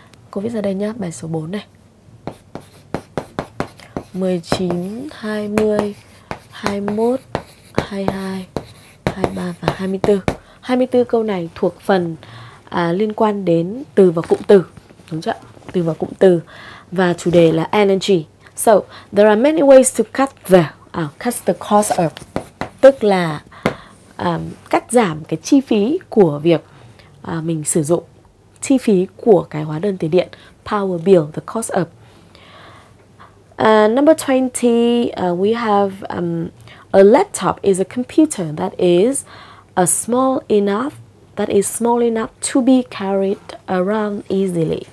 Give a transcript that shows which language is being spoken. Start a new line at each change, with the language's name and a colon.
Vietnamese: Cô viết ra đây nhá, bài số 4 này. 19, 20, 21, 22, 23 và 24. 24 câu này thuộc phần liên quan đến từ và cụm từ. Đúng chưa? Từ và cụm từ. Và chủ đề là energy.
English: So, there are many ways to cut the cost of.
Vietnamese: Tức là cắt giảm cái chi phí của việc mình sử dụng. Chi phí của cái hóa đơn tiền điện, power bill, the cost of.
English: Number 20, we have a laptop is a computer that is a small enough, that is small enough to be carried around easily.